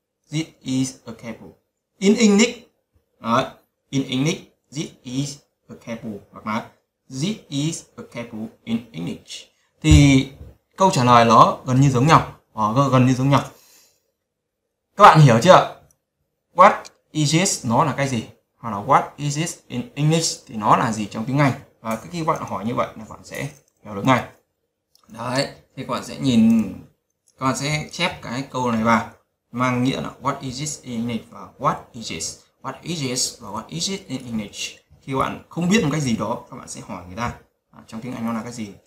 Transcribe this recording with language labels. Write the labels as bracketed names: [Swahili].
[English] This is a capu. In English. [Vietnamese] Đấy. [English] In English. This is a capu. [Vietnamese] Hoặc là [English] this is a capu in English. [Vietnamese] Thì câu trả lời nó gần như giống nhau. Các bạn hiểu chưa? [English] What is this? [Vietnamese] Nó là cái gì? Hoặc là [English] what is this in English? [Vietnamese] Thì nó là gì trong tiếng Anh? Và cái khi bạn hỏi như vậy là bạn sẽ hiểu được ngay. Đấy, thì các bạn sẽ nhìn, các bạn sẽ chép cái câu này vào, mang nghĩa là [English] what is this in English [Vietnamese] và [English] what is this? What is this [Vietnamese] và [English] what is it in English? [Vietnamese] Khi bạn không biết một cái gì đó, các bạn sẽ hỏi người ta trong tiếng Anh nó là cái gì?